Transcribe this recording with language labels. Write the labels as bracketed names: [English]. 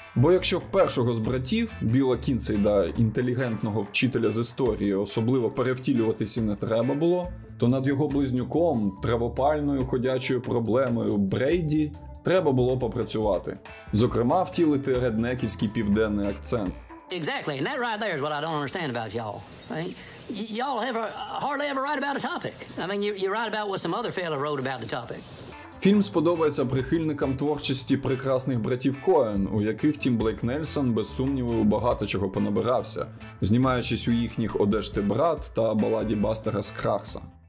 [Ukrainian] Бо якщо в першого з братів, Біла Кінсейда, інтелігентного вчителя з історії, особливо перевтілюватися не треба було, то над його близнюком, травопальною ходячою проблемою Брейді, треба було попрацювати. Зокрема, втілити реднеківський південний акцент. [English] Exactly, and that right there is what I don't understand about y'all. Y'all hardly ever write about a topic. I mean, you write about what some other fella wrote about the topic. [Ukrainian] Фільм сподобається прихильникам творчості прекрасних братів Коен, у яких Тім Блейк Нельсон, без сумніву, багато чого понабирався, знімаючись у їхніх «Одежте брат» та баладі Бастера Скрагса.